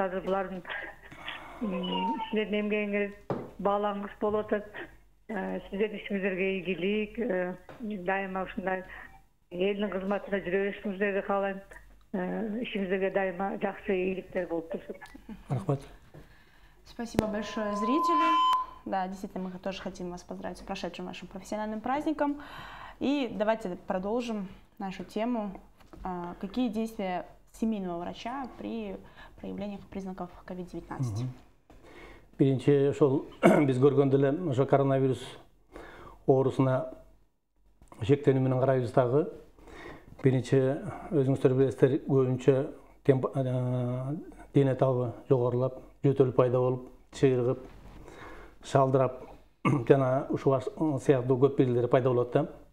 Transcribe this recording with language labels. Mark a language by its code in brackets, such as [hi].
[ky] Азыр булардын силердин эмгегиңер бааланкыс болуп атат. Сиздердин ишиңиздерге ийгилик, дайыма ушундай элдин кызматында жүрө беришиңиздерди каалайм. Ишиңиздерге дайыма жакшы ийгиликтер болуп турсун. Рахмат. [ru] Спасибо большое зрителю. Да, действительно, мы тоже хотим вас поздравить с прошедшим вашим профессиональным праздником. И давайте продолжим нашу тему. Какие действия семейного врача при проявлении признаков COVID-19? [ky] Биринчи ошол биз көргөндө эле ошо коронавирус оорусуна шектенүү менен карайбыз дагы. Биринчи өзүңүздөр билесиздер, көбүнчө дене табы жогорулап, жөтөл пайда болуп, чыйыргып, шалдырап жана ушул сыяктуу көп белгилер пайда болот да.